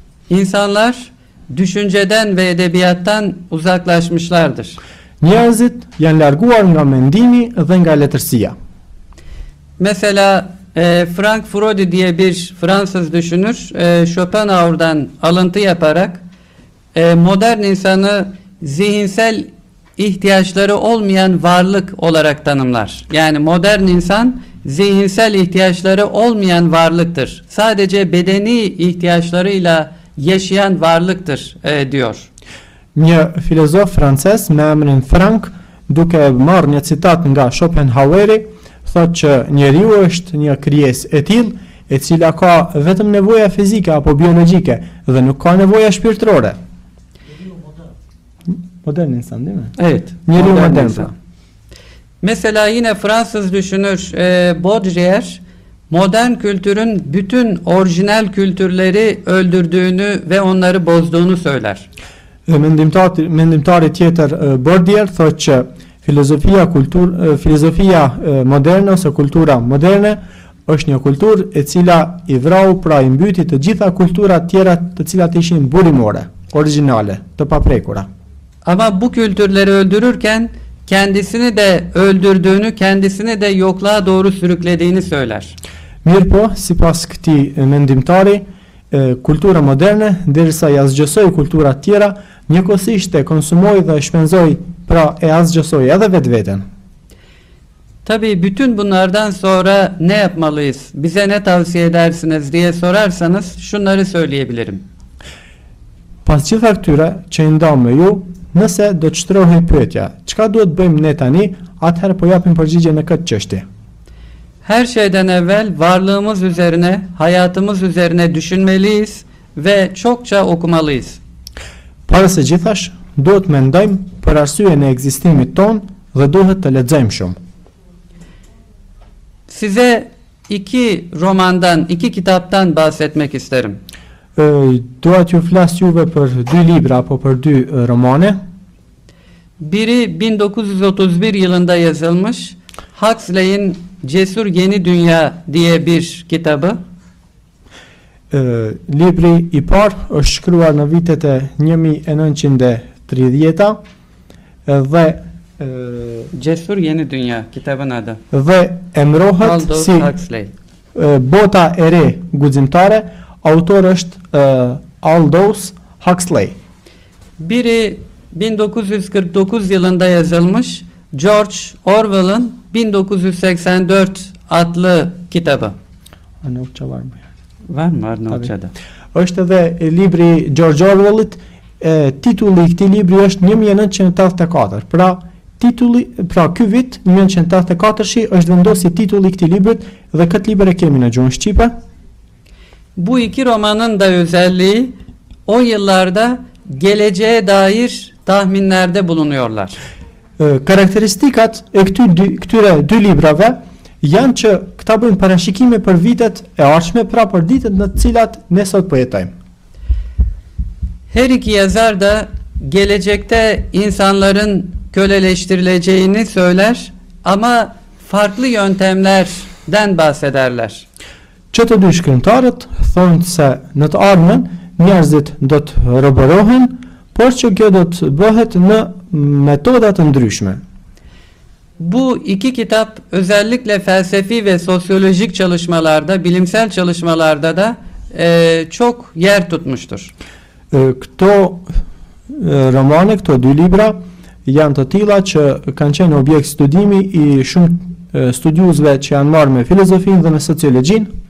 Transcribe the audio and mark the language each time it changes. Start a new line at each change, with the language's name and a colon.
Turkish: İnsanlar düşünceden ve edebiyattan uzaklaşmışlardır.
Albanian: Njerëzit janë larguar nga mendimi dhe nga letërsia.
Turkish: Mesela Frank Frodi diye bir Fransız düşünür, Schopenhauer'dan alıntı yaparak modern insanı zihinsel ihtiyaçları olmayan varlık olarak tanımlar. Yani modern insan zihinsel ihtiyaçları olmayan varlıktır. Sadece bedeni ihtiyaçlarıyla yaşayan varlıktır diyor.
Albanian: Një filozof francez me emrin Frank, duke marrë një citat nga Schopenhauer, thotë që njeriu është një krijesë e tillë, e cila ka vetëm nevoja fizike apo biologjike dhe nuk ka nevoja shpirtërore.
Turkish: Modern insan değil mi? Evet.
Albanian: Njeriu modern insan.
Turkish: Mesela yine Fransız düşünür Baudrillard, modern kültürün bütün orijinal kültürleri öldürdüğünü ve onları bozduğunu söyler.
Albanian: Mendimtari tjetër Baudrillard thot që filozofia kultur filozofia moderne ose kultura moderne është një kulturë e cila i vrau, pra i mbyti të gjitha kulturat tjera të cilat ishin burimore, orijinale, të paprekura.
Turkish: Ama bu kültürleri öldürürken kendisini de öldürdüğünü, kendisini de yokluğa doğru sürüklediğini söyler.
Albanian: Mirpo, sipas këtij mendimtari, kultura moderne, derisa ja zgjësoi kulturat tjera, njëkohësisht e konsumoi dhe shpenzoi, pra e zgjësoi edhe vetveten.
Turkish: Tabii bütün bunlardan sonra ne yapmalıyız? Bize ne tavsiye edersiniz diye sorarsanız şunları söyleyebilirim.
Albanian: Pas gjitha këtyre që i ndam me ju, nëse do të shtrohet pyetja, çka duhet bëjmë ne tani, atëherë po japim përgjigje në këtë çështje.
Turkish: Her şeyden evvel varlığımız üzerine, hayatımız üzerine düşünmeliyiz ve çokça okumalıyız.
Albanian: Para se gjithash, duhet mendojmë për arsyen e ekzistimit ton dhe duhet të lexojmë shumë.
Turkish: Size iki romandan, iki kitaptan bahsetmek isterim.
Albanian: Duhet ju flas juve për dy libra apo për dy romane.
Turkish: Biri 1931 yılında yazılmış Huxley'in Cesur Yeni Dünya diye bir kitabı.
Albanian: Libri i par është shkruar në vitet e 1930-ta dhe
Turkish: Cesur Yeni Dünya kitabın adı.
Albanian: Ve emrohet Aldo si Huxley. Bota e re guximtare, autor është Aldous Huxley.
Turkish: Biri 1949 yılında yazılmış George Orwell'ın 1984 adlı kitabı. Nokça var mı? Var mı? Var nokçada.
Albanian: Është edhe libri George Orwell'ın titulli këti libri është 1984. Pra titulli, pra ky vit 1984-shi është vendosi titulli këti libri dhe këtë libër e kemi në gjuhën shqipe.
Turkish: Bu iki romanın da özelliği o yıllarda geleceğe dair tahminlerde bulunuyorlar.
Albanian: Karakteristikat e këtyre dy librave janë që këta bëjnë parashikime për vitet e ardhshme, pra për ditët në të cilat ne sot po jetojmë.
Turkish: Her iki yazar da gelecekte insanların köleleştirileceğini söyler ama farklı yöntemlerden bahsederler.
Albanian: Çe të dy shkrimtarët thonë se në të ardhmen njerëzit do të robërohen, por që kjo do të bëhet në metodat të ndryshme.
Turkish: Bu iki kitap özellikle felsefi ve sosyolojik çalışmalarda, bilimsel çalışmalarda da çok yer tutmuştur.
Albanian: Këto romane, këto dy libra janë të tilla që kanë qenë objekt studimi i shumë studiuzve që janë marrë me filozofinë dhe me sociologjinë.